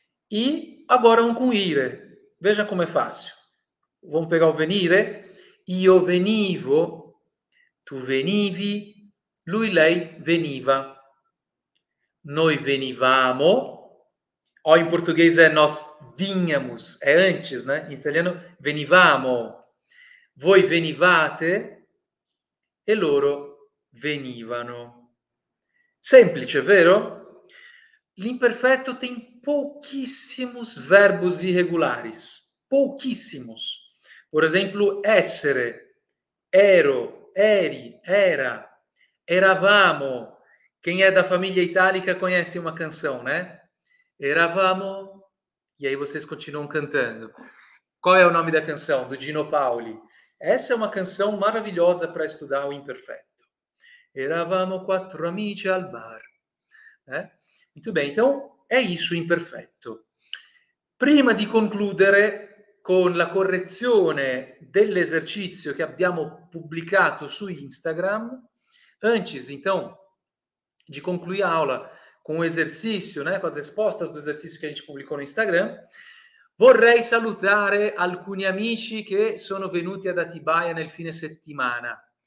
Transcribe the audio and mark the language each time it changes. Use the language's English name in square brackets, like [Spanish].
[Portuguese] E agora um com ire. Veja como é fácil. Vamos pegar o venire. [Italian] Io venivo. Tu venivi. Lui, lei veniva. Noi venivamo. [Portuguese] Ó, em português é nós vinhamos. É antes, né? Em italiano, venivamo. [Italian] Voi venivate e loro venivano. Semplice, vero? [Portuguese] L'imperfetto tem pochissimos verbos irregulares. Pochissimos. Por exemplo, essere, ero, eri, era. Eravamo, quem é da família itálica conhece uma canção, né? Eravamo, e aí vocês continuam cantando. Qual é o nome da canção? Do Dino Paoli. Essa é uma canção maravilhosa para estudar o imperfetto. [Italian] Eravamo quattro amici al bar. [Portuguese] Né? Muito bem, então é isso o imperfetto. [Italian] Prima di concludere con la correzione dell'esercizio che abbiamo pubblicato su Instagram. [Portuguese] Antes, então, de concluir a aula com o exercício, né, com as respostas do exercício que a gente publicou no Instagram, [Italian] vorrei salutare alcuni amici che sono venuti ad Atibaia nel fine settimana.